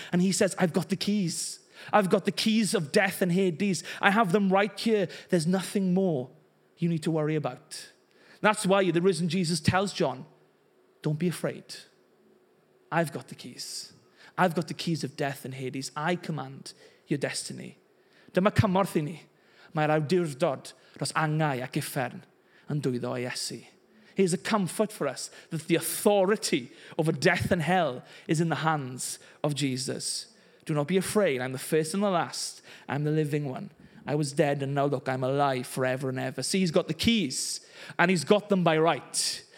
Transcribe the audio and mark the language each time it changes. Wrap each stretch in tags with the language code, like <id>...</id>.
<en>And he says, I've got the keys. I've got the keys of death and Hades. I have them right here. There's nothing more you need to worry about. That's why the risen Jesus tells John, don't be afraid. I've got the keys. I've got the keys of death and Hades. I command your destiny.</en> <cy>Dyma cymorth i ni. Mae'r awdurdod dros angau ac uffern yn dwyddo Iesu.</cy> <en>Here's a comfort for us, that the authority over death and hell is in the hands of Jesus. Do not be afraid. I'm the first and the last. I'm the living one. I was dead and now look, I'm alive forever and ever. See, he's got the keys and he's got them by right.</en>